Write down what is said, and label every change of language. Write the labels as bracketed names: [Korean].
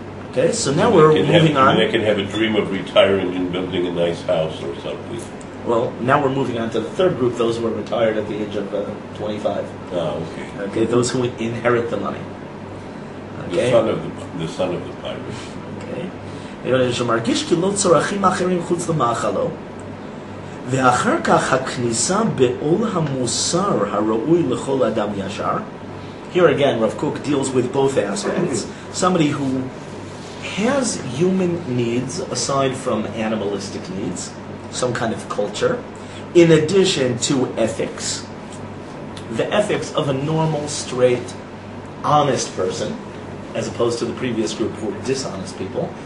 [English] Okay, so now we're moving on. They can have a dream of retiring and building a nice house or something. Well, now we're moving on to the third group, those who are retired at the age of 25. Oh, okay. Okay, those who inherit the money. Okay. The son of the pirate. Okay. You know, [Hebrew] שמרגיש כי לא צורכים אחרים חוץ למאכלו, ואחר כך הכניסה בעול המוסר הראוי לכל אדם ישר. [English] Here again, Rav Kook deals with both aspects. Somebody who has human needs aside from animalistic needs, some kind of culture, in addition to ethics, the ethics of a normal, straight, honest person, as opposed to the previous group who were dishonest people.